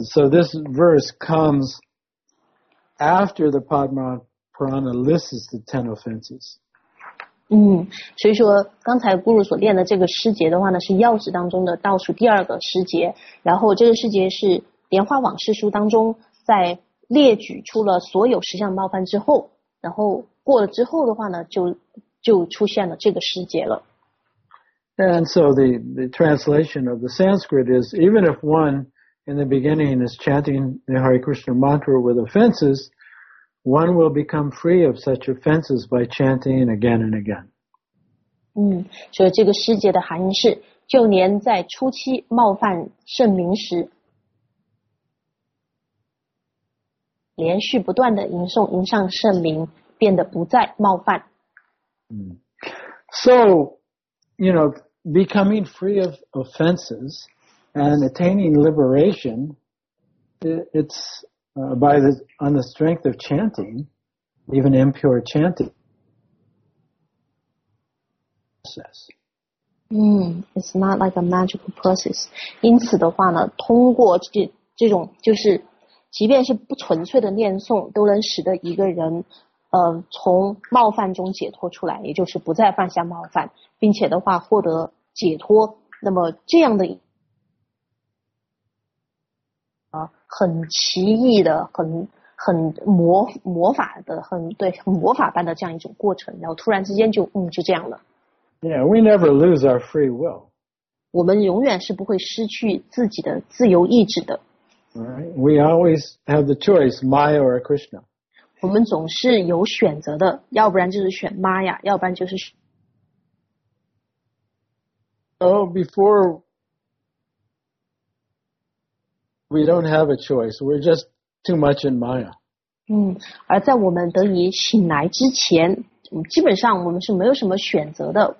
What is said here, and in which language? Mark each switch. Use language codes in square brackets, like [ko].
[en] So this verse comes after the Padma Purana lists the 10 offenses. [zh] 所以说刚才 Guru 所念的这个诗节的话呢，是要旨当中的倒数第二个诗节，然后这个诗节是莲花往事书当中在列举出了所有十项冒犯之后，然后过了之后的话呢，就出现了这个诗节了。 [en] And so the translation of the Sanskrit is, even if one in the beginning is chanting the Hare Krishna mantra with offenses, one will become free of such offenses by chanting again and again. [zh] 所以这个诗节的含义是，就连在初期冒犯圣名时，连续不断的吟诵吟上圣名，变得不再冒犯。 [en] So, becoming free of offenses and attaining liberation, it's on the strength of chanting, even impure chanting. Process. It's not like a magical process. [zh] 因此的话呢，通过这种就是。即便是不纯粹的念诵都能使得一个人从冒犯中解脱出来，也就是不再犯下冒犯，并且的话获得解脱，那么这样的很奇异的很魔法般的这样一种过程，然后突然之间就这样了。 [en] Yeah, we never lose our free will. [zh] 我们永远是不会失去自己的自由意志的。 [en] Right. We always have the choice, Maya or Krishna. [zh] 我们总是有选择的，要不然就是选 Maya， 要不然就是。 [en] Oh, before we don't have a choice. We're just too much in Maya. [zh] 而在我们得以醒来之前，基本上我们是没有什么选择的。